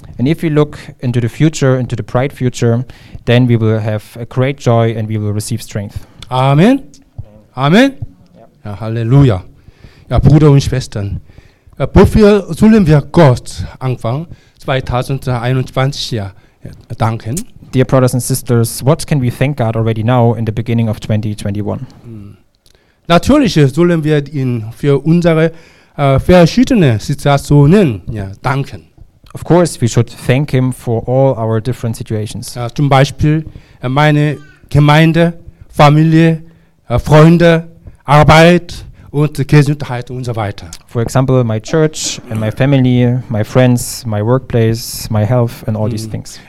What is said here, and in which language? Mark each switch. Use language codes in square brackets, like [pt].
[en] And if we look into the future, into the bright future, then we will have a great joy and we will receive strength. Amen. Amen. Ja, Halleluja. [de] Ja, Brüder und Schwestern, wofür sollen wir Gott Anfang 2021 danken? [en] Dear brothers and sisters, what can we thank God already now in the beginning of 2021? [de] Natürlich sollen wir ihn für unsere verschiedene Situationen danken. [en] Of course, we should thank him for all our different situations. [de] Zum Beispiel meine Gemeinde, Familie, Freunde, Arbeit und Gesundheit und so weiter. [en] For example, my church and my family, my friends, my workplace, my health and all these things.